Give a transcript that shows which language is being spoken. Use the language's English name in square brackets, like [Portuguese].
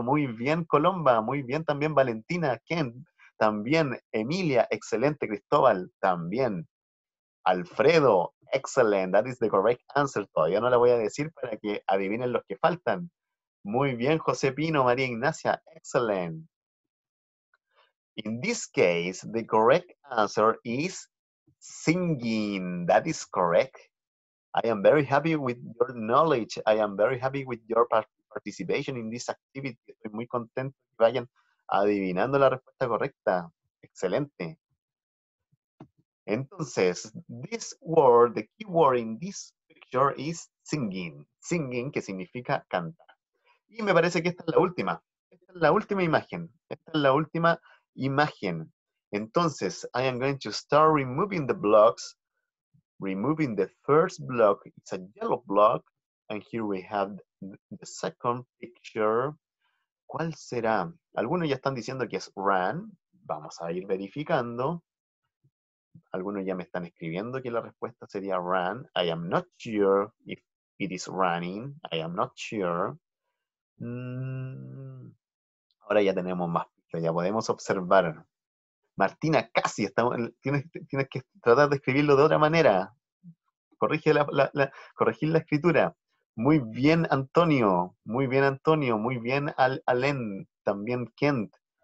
[Spanish] Muy bien, Colomba, muy bien también Valentina, Ken, también Emilia, excelente, Cristóbal, también Alfredo, [English] excellent, that is the correct answer. [Spanish] Todavía no la voy a decir para que adivinen los que faltan. Muy bien, José Pino, María Ignacia, [English] excellent. In this case, the correct answer is singing, that is correct. I am very happy with your knowledge. I am very happy with your participation in this activity. [Spanish] Estoy muy contento que vayan adivinando la respuesta correcta. Excelente. Entonces, [English] this word, the key word in this picture is singing. [Spanish] Singing, que significa cantar. Y me parece que esta es la última. Esta es la última imagen. Esta es la última imagen. Entonces, [English] I am going to start removing the blocks. Removing the first block, it's a yellow block, and here we have the second picture. [Spanish] ¿Cuál será? Algunos ya están diciendo que es run. Vamos a ir verificando. Algunos ya me están escribiendo que la respuesta sería run. [English] I am not sure if it is running. I am not sure. [Spanish] Ahora ya tenemos más pistas, ya podemos observar. Martina, casi, tienes que tratar de escribirlo de otra manera. Corrige la escritura. Muy bien, Antonio. Muy bien, Antonio. Muy bien, Alen. También Kent.